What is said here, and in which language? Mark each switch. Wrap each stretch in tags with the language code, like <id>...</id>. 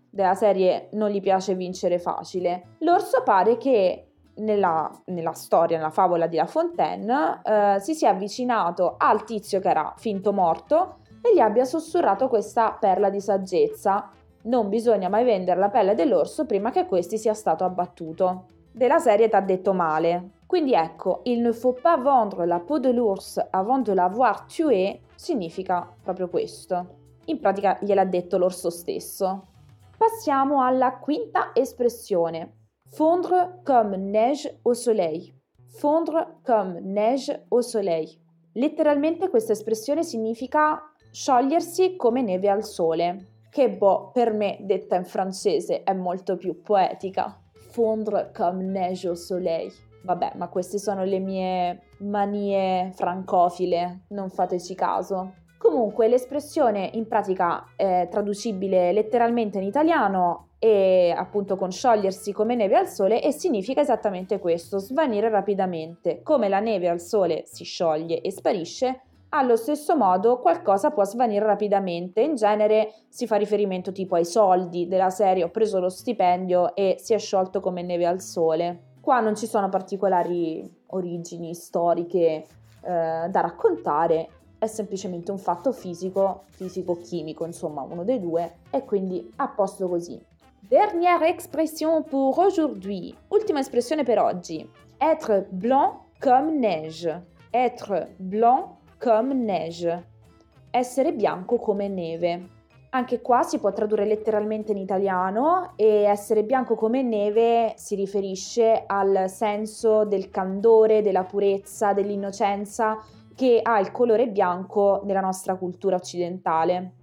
<it>Della serie non gli piace vincere facile. L'orso pare che nella storia, nella favola di La Fontaine, si sia avvicinato al tizio che era finto morto e gli abbia sussurrato questa perla di saggezza. Non bisogna mai vendere la pelle dell'orso prima che questi sia stato abbattuto. Della serie t'ha detto male. Quindi ecco,</it> <fr>il ne faut pas vendre la peau de l'ours avant de l'avoir tué</fr> <it>significa proprio questo. In pratica gliel'ha detto l'orso stesso. Passiamo alla quinta espressione.</it> <fr>Fondre comme neige au soleil. Fondre comme neige au soleil.</fr> <it>Letteralmente questa espressione significa sciogliersi come neve al sole. Che boh, per me detta in francese è molto più poetica.</it> <fr>Fondre comme neige au soleil.</fr> <it>Vabbè, ma queste sono le mie manie francofile, non fateci caso. Comunque, l'espressione in pratica è traducibile letteralmente in italiano e appunto con sciogliersi come neve al sole e significa esattamente questo, svanire rapidamente. Come la neve al sole si scioglie e sparisce, allo stesso modo qualcosa può svanire rapidamente. In genere si fa riferimento tipo ai soldi della serie, ho preso lo stipendio e si è sciolto come neve al sole. Qua non ci sono particolari origini storiche da raccontare, è semplicemente un fatto fisico-chimico, insomma, uno dei due, e quindi a posto così.</it> <fr>Dernière expression pour aujourd'hui.</fr> <it>Ultima espressione per oggi.</it> <fr>Être blanc comme neige. Être blanc comme neige.</fr> <it>Essere bianco come neve. Anche qua si può tradurre letteralmente in italiano e essere bianco come neve si riferisce al senso del candore, della purezza, dell'innocenza che ha il colore bianco nella nostra cultura occidentale.</it>